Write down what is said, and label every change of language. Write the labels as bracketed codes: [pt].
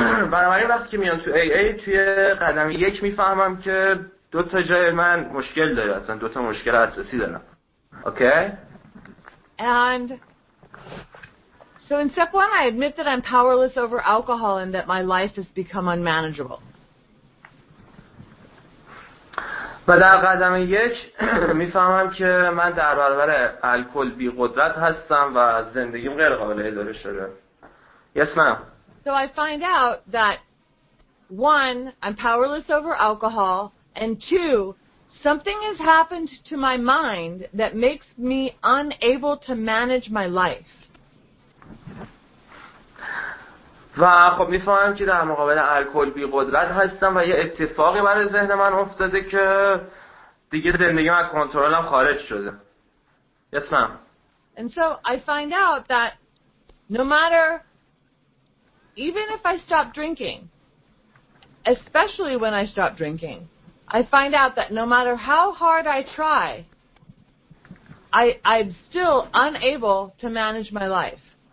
[fa] بنابراین وقتی که میان تو AA توی قدم یک میفهمم که دو تا جای من مشکل داره، اصلا دو تا مشکل اساسی دارم. [en] Okay. And so in step one, I admit that I'm powerless over alcohol and that my life has become unmanageable. [fa] و در قدم یک میفهمم که من در برابر الکل بی قدرت هستم و زندگیم غیر قابل اداره شده. [en] Yes, ma'am. So I find out that one, I'm powerless over alcohol, and two, something has happened to my mind that makes me unable to manage my life. [fa] و خب میفهمم که در مقابل الکل بی قدرت هستم و یه اتفاقی برای ذهن من افتاده که دیگه زندگی من از کنترلم خارج شده. [en] Yes, ma'am. And so I find out that no matter, even if I stop drinking, especially when I stop drinking, I find out that no matter how hard I try, I'm still unable to manage my life.